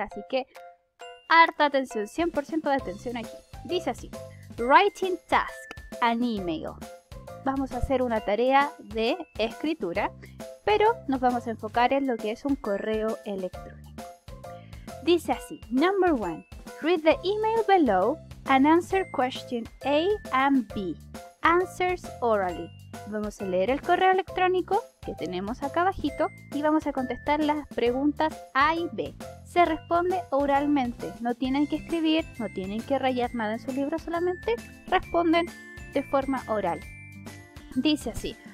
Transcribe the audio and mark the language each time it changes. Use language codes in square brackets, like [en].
[es] Así que harta atención, 100% de atención aquí. Dice así. [en] Writing task, an email. [es] Vamos a hacer una tarea de escritura, pero nos vamos a enfocar en lo que es un correo electrónico. Dice así. [en] Number one. Read the email below and answer question A and B. Answers orally. [es] Vamos a leer el correo electrónico que tenemos acá abajito y vamos a contestar las preguntas A y B. Se responde oralmente. No tienen que escribir, no tienen que rayar nada en su libro, solamente responden de forma oral. Dice así.